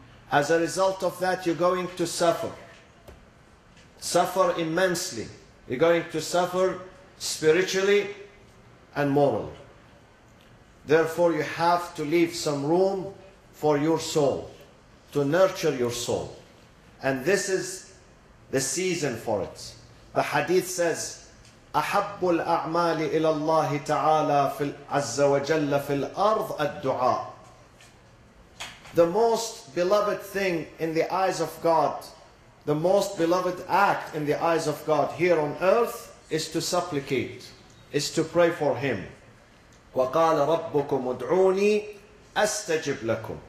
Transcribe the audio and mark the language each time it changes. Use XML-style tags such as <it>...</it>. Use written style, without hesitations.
<en>As a result of that, you're going to suffer. Suffer immensely. You're going to suffer spiritually and morally. Therefore, you have to leave some room for your soul, to nurture your soul. And this is the season for it. The hadith says,</en> <ar>أَحَبُّ الْأَعْمَالِ إِلَى اللَّهِ تَعَالَى فِي الْعَزَّ وَجَلَّ فِي الْأَرْضِ الدُّعَاء.</ar> <en>The most beloved thing in the eyes of God, the most beloved act in the eyes of God here on earth is to supplicate, is to pray for him.</en> <ar>وَقَالَ رَبُّكُمْ ادْعُونِي أَسْتَجِبْ لَكُمْ.</ar>